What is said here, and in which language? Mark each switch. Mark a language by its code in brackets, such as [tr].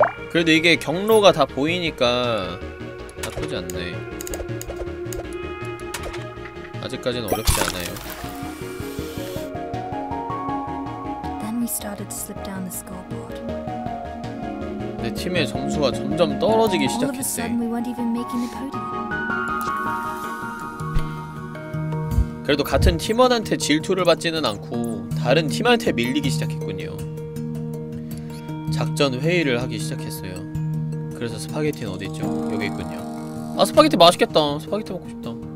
[ko] 그래도 이게 경로가 다 보이니까 나쁘지 않네. 아직까지는 어렵지 않아요. [en] Then we started to slip down the scoreboard. [ko] 내 팀의 점수가 점점 떨어지기 시작했대. [en] All of a sudden, we weren't even making the podium. [ko] 그래도 같은 팀원한테 질투를 받지는 않고 다른 팀한테 밀리기 시작했군요. 작전 회의를 하기 시작했어요. 그래서 스파게티는 어디있죠? 여기 있군요. 아, 스파게티 맛있겠다. 스파게티 먹고 싶다.